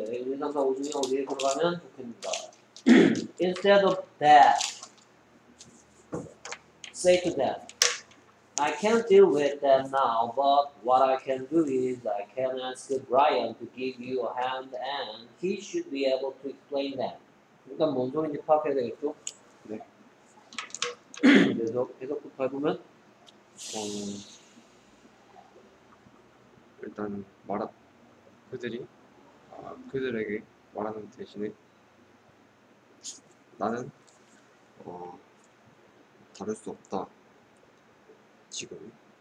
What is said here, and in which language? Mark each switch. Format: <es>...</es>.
<ko>1, 2, 3, 4, 5 중에 어디에 들어가면 좋겠습니까?</ko> <en>Instead of that, say to them, I can't deal with them now, but what I can do is I can ask Brian to give you a hand and he should be able to explain them.</en> <ko>일단 뭔 소리인지 파악해야 되겠죠? 네. 계속부터 해보면 일단 말아 그들이 그들에게 말하는 대신에 나는 다룰 수 없다 지금</ko>